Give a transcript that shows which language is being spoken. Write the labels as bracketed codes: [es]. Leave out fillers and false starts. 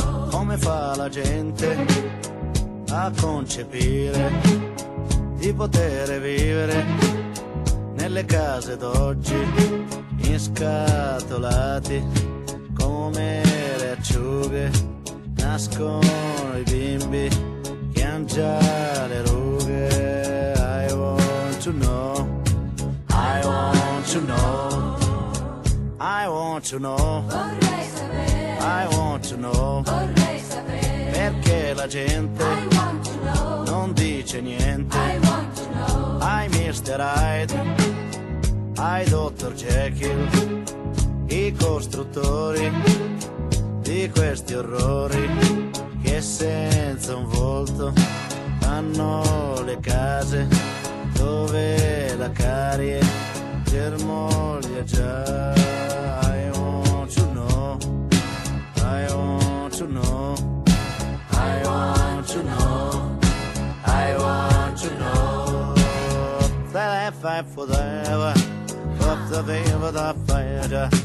[it] Come fa la gente a concepire di poter vivere nelle case d'oggi inscatolati come le acciughe nascono i bimbi che hanno già le rughe. [en] I want to know, I want to know, I want to know, I want to know. [it] Perché la gente non dice niente ai Mr. Hyde, ai Dr. Jekyll, i costruttori di questi orrori che senza un volto fanno le case dove la carie germoglia già. [en] I want to know, I want to know, I want to know, I want to know. That I fight forever, for the veil of the fire.